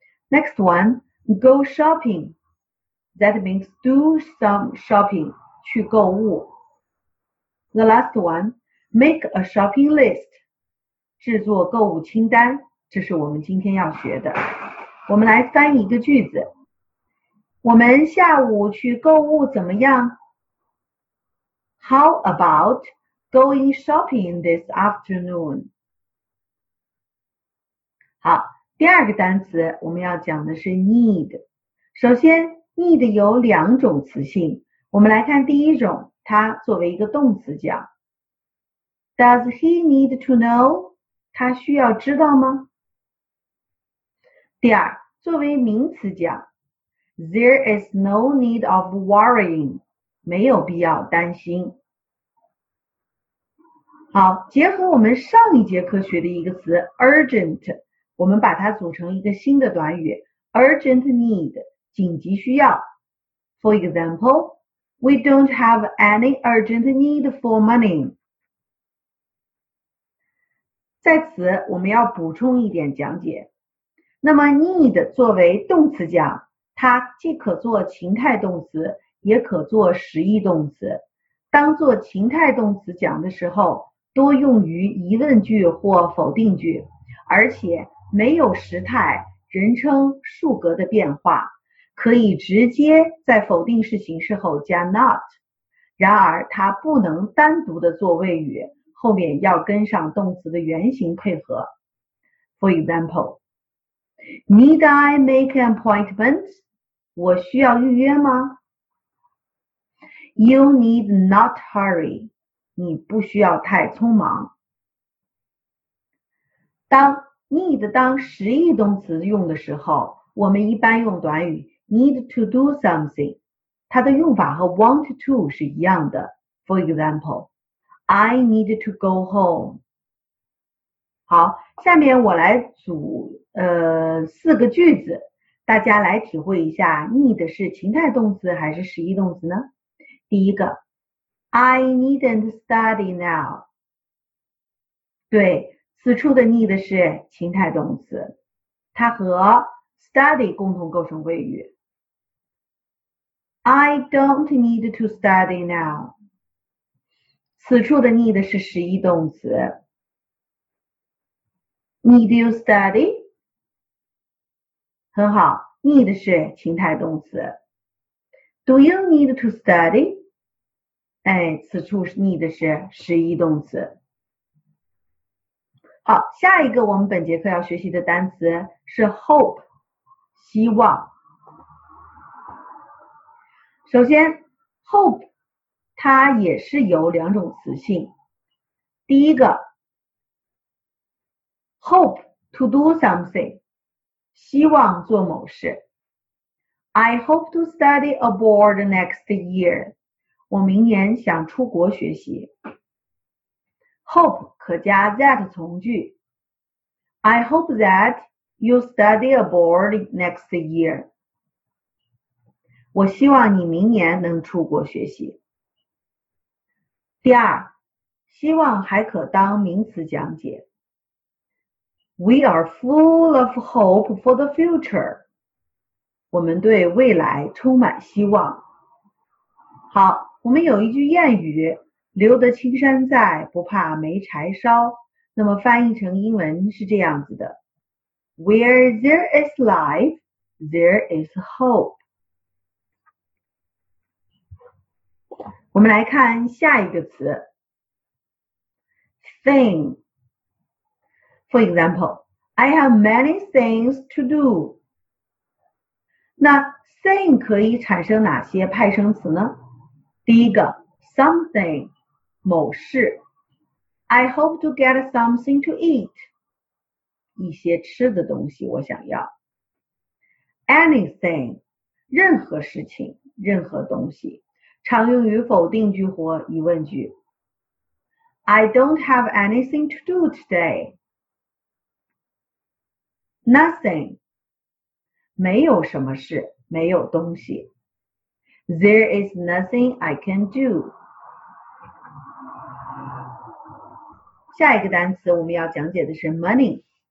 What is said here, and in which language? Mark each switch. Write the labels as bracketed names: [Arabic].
[English] Next one， go shopping， that means do some shopping， [Chinese] 去购物。 [English] The last one， make a shopping list， [Chinese] 制作购物清单。这是我们今天要学的。我们来翻译一个句子。我们下午去购物怎么样？ [English] How about going shopping this afternoon? [Chinese] 好，第二个单词我们要讲的是 need。首先 need 有两种词性。我们来看第一种，它作为一个动词讲。 [English] Does he need to know? [Chinese] 他需要知道吗？第二，作为名词讲 ， [English] There is no need of worrying， [Chinese] 没有必要担心。好，结合我们上一节课学的一个词 urgent， 我们把它组成一个新的短语 urgent need， 紧急需要。 [English] For example， we don't have any urgent need for money。 [Chinese] 在此，我们要补充一点讲解。那么 need 作为动词讲，它既可做情态动词，也可做实义动词。当做情态动词讲的时候，多用于疑问句或否定句，而且没有时态，人称数格的变化，可以直接在否定式形式后加 not。然而它不能单独的做谓语，后面要跟上动词的原形配合。 [English] For example, Need I make an appointment? [Chinese] 我需要预约吗？ [English] You need not hurry. [Chinese] 你不需要太匆忙。当 need 当实义动词用的时候，我们一般用短语 need to do something。它的用法和 want to 是一样的。 [English] For example, I need to go home. [Chinese] 好，下面我来组四个句子，大家来体会一下 need 是情态动词还是实义动词呢？第一个 [English] ，I needn't study now。 [Chinese] 对，此处的 need 是情态动词，它和 study 共同构成谓语。 [English] I don't need to study now。 [Chinese] 此处的 need 是实义动词。 [English] Need you study? [Chinese] 很好， need 是情态动词。 [English] Do you need to study? [Chinese] 哎，此处 need 是实义动词。好，下一个我们本节课要学习的单词是 hope， 希望。首先 hope 它也是有两种词性，第一个 hope to do something， 希望做某事。 [English] I hope to study abroad next year， [Chinese] 我明年想出国学习。 hope 可加 that 从句。 [English] I hope that you study abroad next year， [Chinese] 我希望你明年能出国学习。第二，希望还可当名词讲解。 [English] We are full of hope for the future。 [Chinese] 我们对未来充满希望。好，我们有一句谚语，留得青山在，不怕没柴烧。那么翻译成英文是这样子的。 [English] Where there is life, there is hope。 [Chinese] 我们来看下一个词 thing。 [English] For example, I have many things to do。 [Chinese] 那 thing 可以产生哪些派生词呢？第一个 something， 某事。 [English] I hope to get something to eat， [Chinese] 一些吃的东西我想要。 anything， 任何事情，任何东西，常用于否定句或疑问句。 [English] I don't have anything to do today. [Chinese] Nothing. 没有什么事，没有东西。 [English] There is nothing I can do. [Chinese] 下一个单词我们要讲解的是 money.